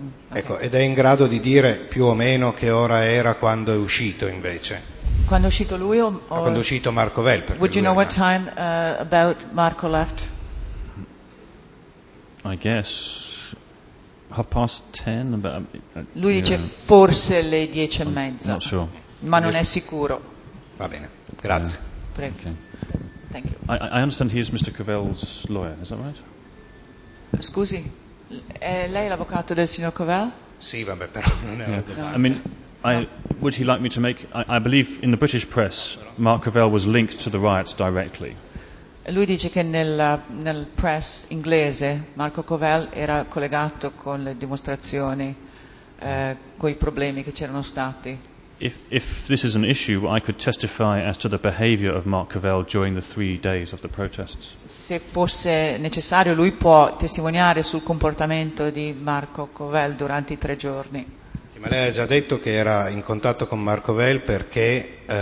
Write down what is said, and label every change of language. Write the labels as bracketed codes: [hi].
[it] Ecco, ed è in grado di dire più o meno che ora era quando è uscito invece? Quando è uscito lui o quando è uscito Marco Covell? [en] Would you know what time about Marco left? I guess 10:30. But, [it] lui dice forse le 10:30. [en] Not sure. [it] Ma non è sicuro. Va bene, grazie. Yeah. Prego. [en] Okay. Thank you. I understand he is Mr. Covell's lawyer, is that right? [it] Scusi, è lei l'avvocato del signor Covell? Sì, vabbè, però non è una domanda. [en] I mean, would he like me to make? I believe in the British press, Mark Covell was linked to the riots directly. [it] Lui dice che nel press inglese Marco Covell era collegato con le dimostrazioni, con i problemi che c'erano stati. [en] If this is an issue, I could testify as to the behavior of Mark Covell during the 3 days of the protests. [it] Se fosse necessario, lui può testimoniare sul comportamento di Marco Covell durante i 3 giorni. Sì, ma lei ha già detto che era in contatto con Marco Covell perché...